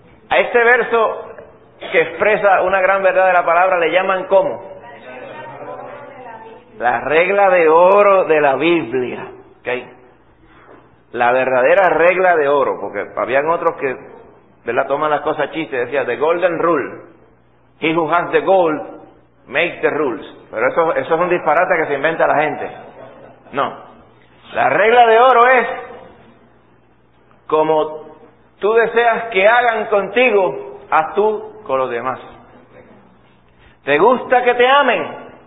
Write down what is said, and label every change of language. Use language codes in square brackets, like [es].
[es] A este verso que expresa una gran verdad de la palabra le llaman ¿cómo? La regla de oro de la Biblia. ¿Okay? La verdadera regla de oro, porque habían otros que, ¿verdad?, toman las cosas chistes, decía [en] the golden rule. He who has the gold makes the rules. [es] Pero eso es un disparate que se inventa la gente. No. La regla de oro es, como tú deseas que hagan contigo, haz tú con los demás. ¿Te gusta que te amen?